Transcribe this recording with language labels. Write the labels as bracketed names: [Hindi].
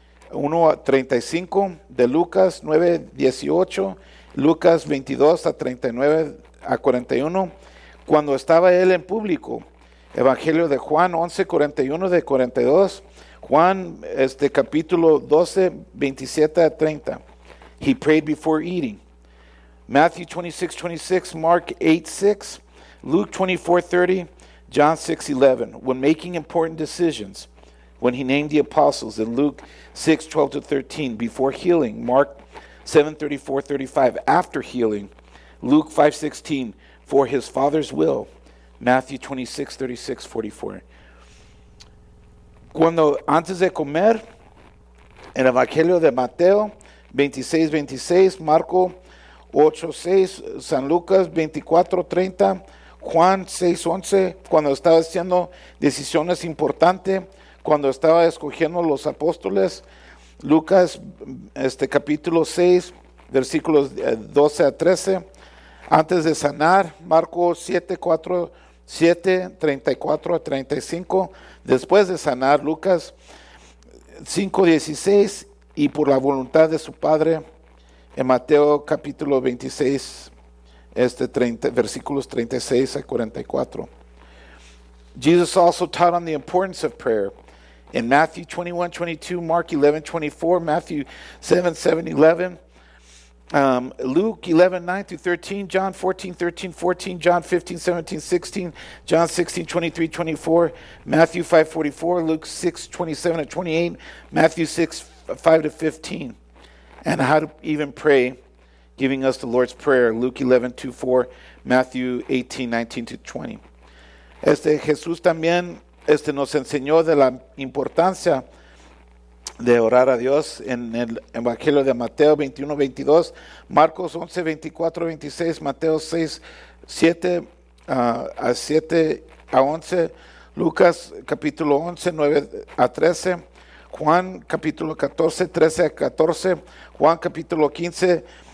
[Spanish] 1:35, de Lucas 9:18, Lucas 22:39-41, cuando estaba él en público, Evangelio de Juan 11:41-42, Juan capítulo 12:27-30, [English] he prayed before eating. Matthew 26:26, Mark 8:6, Luke 24:30, John 6:11, when making important decisions, when he named the apostles, in Luke 6:12-13, before healing, Mark 7:34-35, after healing, Luke 5:16, for his father's will, Matthew 26:36-44. [Spanish] Cuando antes de comer, el Evangelio de Mateo 26:26, Marco 8:6, San Lucas 24:30, Juan 6:11, cuando estaba haciendo decisiones importantes, cuando estaba escogiendo los apóstoles, Lucas capítulo 6, versículos 12-13, antes de sanar, Marcos 7:34-35, después de sanar, Lucas 5:16, y por la voluntad de su padre, en Mateo capítulo 26, 30, versículos 36-44. [English] Jesus also taught on the importance of prayer. In Matthew 21:22, Mark 11:24, Matthew 7:7-11, Luke 11, 9 through 13, John 14, 13, 14, John 15, 17, 16, John 16, 23, 24, Matthew 5, 44, Luke 6, 27 to 28, Matthew 6, 5 to 15. And how to even pray, giving us the Lord's Prayer, Luke 11, 2, 4, Matthew 18, 19 to 20. [Spanish] Jesús también nos enseñó de la importancia de orar a Dios en el Evangelio de Mateo 21, 22, Marcos 11, 24, 26, Mateo 6, 7, a 7 a 11, Lucas capítulo 11, 9 a 13, Juan capítulo 14, 13 a 14, Juan capítulo 15,